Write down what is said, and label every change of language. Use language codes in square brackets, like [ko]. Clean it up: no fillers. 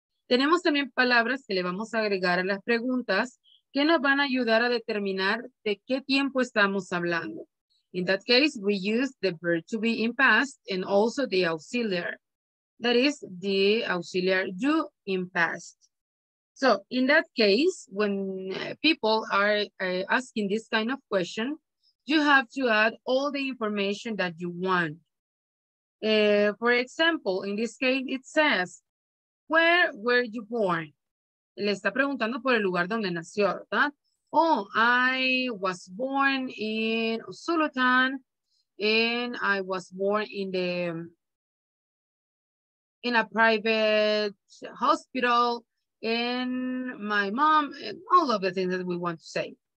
[es] Tenemos también palabras que le vamos a agregar a las preguntas que nos van a ayudar a determinar de qué tiempo estamos hablando. [en] In that case, we use the verb to be in past and also the auxiliary. That is the auxiliary do in past. So in that case, when people are asking this kind of question, you have to add all the information that you want. For example, in this case, it says, where were you born? [es] Le está preguntando por el lugar donde nació, ¿verdad? [en] Oh, I was born in Usulután, and I was born in the... in a private hospital, in my mom, and all of the things that we want to say.